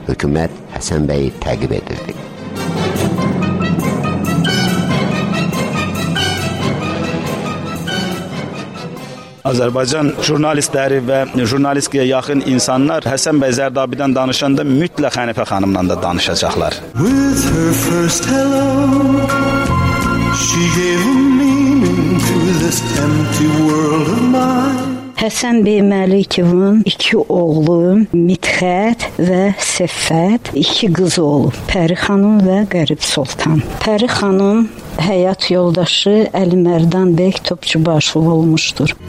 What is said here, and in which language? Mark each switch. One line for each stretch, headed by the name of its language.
Azerbaijani: Hökumət Həsən bəyi təqib edirdi. Azərbaycan jurnalistləri və jurnalistliyə yaxın insanlar Həsən bəy Zərdabidən danışanda mütləq Hənifə xanımla da danışacaqlar.
English: With her first hello, she gave a meaning to this empty world of mine.
Azerbaijani: Həsən bəy Məlikovun iki oğlu, Mitxət və Səffət, iki qız oğlu, Pəri xanım və Qərib Sultan. Pəri xanım həyat yoldaşı Əli Mərdan bəy Topçubaşlı olmuşdur.